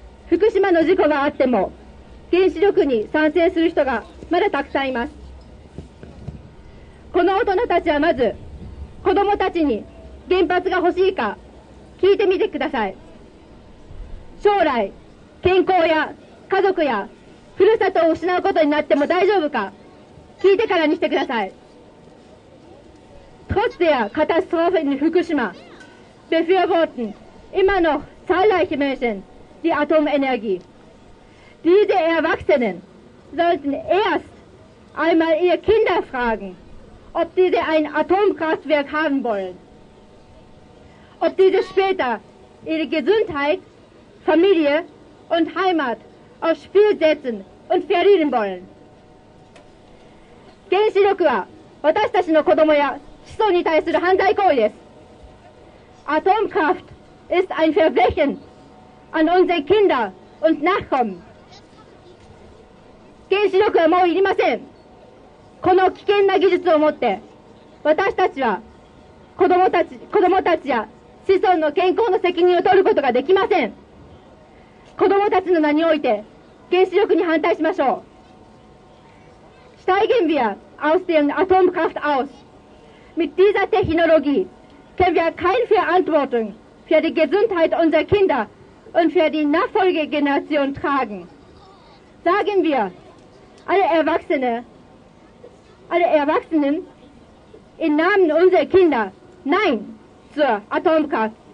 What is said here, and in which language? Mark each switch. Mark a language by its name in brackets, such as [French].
[Japanese] Fukushima の事故があっても、原子力に賛成する人がまだたくさんいます。この大人たちはまず、子どもたちに原発が欲しいか聞いてみてください。将来、健康や家族やふるさとを失うことになっても大丈夫か聞いてからにしてください。 [German] Trotz der Katastrophe in Fukushima befürworten immer noch zahlreiche Menschen die Atomenergie. Diese Erwachsenen sollten erst einmal ihre Kinder fragen, ob diese ein Atomkraftwerk haben wollen. Ob diese später ihre Gesundheit, Familie und Heimat aufs Spiel setzen. Und verlieren wollen. [Japanese] 原子力は私たちの子供や子孫に対する犯罪行為です。 [German] Atomkraft ist ein Verbrechen an unsere Kinder und Nachkommen. [Japanese] 原子力はもういりません。この危険な技術をもって私たちは子供たちや子孫の健康の責任を取ることができません。子供たちの名において原子力に反対しましょう。 [German] Steigen wir aus den Atomkraft aus. Mit dieser Technologie können wir keine Verantwortung für die Gesundheit unserer Kinder und für die Nachfolgegeneration tragen. Sagen wir, alle Erwachsenen im Namen unserer Kinder Nein zur Atomkraft.